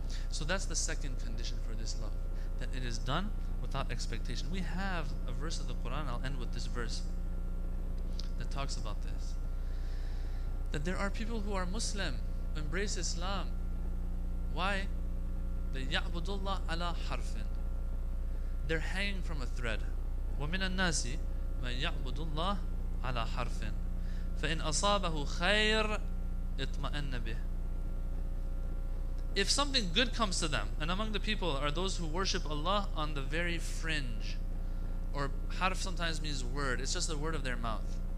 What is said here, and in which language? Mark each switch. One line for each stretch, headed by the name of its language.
English: So that's the second condition for this love, that it is done without expectation. We have a verse of the Quran. I'll end with this verse. that talks about this. That there are people who are Muslim, embrace Islam. Why? They
Arabic: يَعْبُدُ اللَّهَ عَلَى حَرْفٍ.
English: They're hanging from a thread.
Arabic: وَمِنَ النَّاسِ مَنْ يَعْبُدُ اللَّهَ عَلَى حَرْفٍ فَإِنْ أَصَابَهُ خَيْرٍ اطْمَأَنَّ بِهِ.
English: If something good comes to them, and among the people are those who worship Allah on the very fringe, or harf sometimes means word, it's just the word of their mouth.